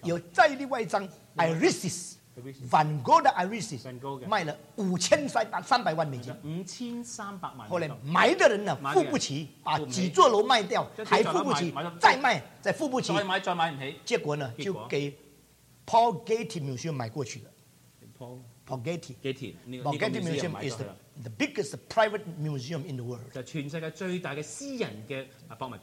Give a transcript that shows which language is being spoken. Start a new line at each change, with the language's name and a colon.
Chinese: 有再另外一张 Irises， Van Gogh 的 Irises， 卖了$5,300,000。 $5,300,000。后来买的人呢，付不起，把几座楼卖掉，还付不起，再卖，再付不起，再买不起。结果呢，就给 Paul Getty Museum 买过去了。
English: Paul Getty，Paul Getty Museum is the biggest private museum in the world，
Chinese: 就全世界最大的私人的博物馆，